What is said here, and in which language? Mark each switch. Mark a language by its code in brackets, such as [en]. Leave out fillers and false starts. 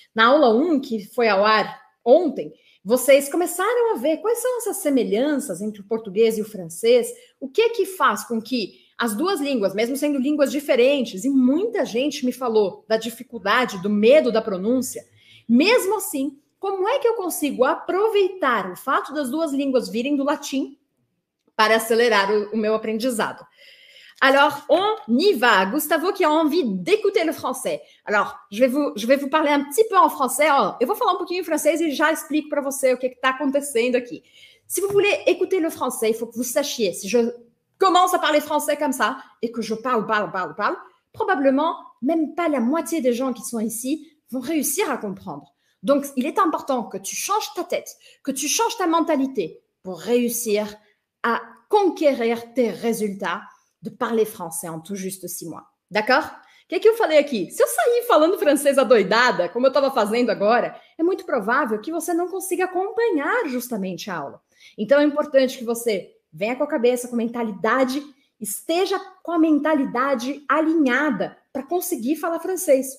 [pt] Na aula 1, que foi ao ar ontem, vocês começaram a ver quais são essas semelhanças entre o português e o francês, o que que faz com que as duas línguas, mesmo sendo línguas diferentes, e muita gente me falou da dificuldade, do medo da pronúncia, mesmo assim, como é que eu consigo aproveitar o fato das duas línguas virem do latim para acelerar o meu aprendizado? [fr] Alors, on y va. Gustavo qui a envie d'écouter le français. Alors, je vais vous parler un petit peu en français. [pt] Oh, eu vou falar um pouquinho em francês e já explico para você o que está acontecendo aqui. [fr] Si vous voulez écouter le français, il faut que vous sachiez. Si je commence à parler français comme ça et que je parle, probablement, même pas la moitié des gens qui sont ici vont réussir à comprendre. Donc, il est important que tu changes ta tête, que tu changes ta mentalité pour réussir à conquérir tes résultats de parler français en tout juste 6 mois. D'accord? [pt] O que eu falei aqui? Se eu sair falando francês adoidada, como eu estava fazendo agora, é muito provável que você não consiga acompanhar justamente a aula. Então é importante que você venha com a cabeça, com mentalidade, esteja com a mentalidade alinhada para conseguir falar francês.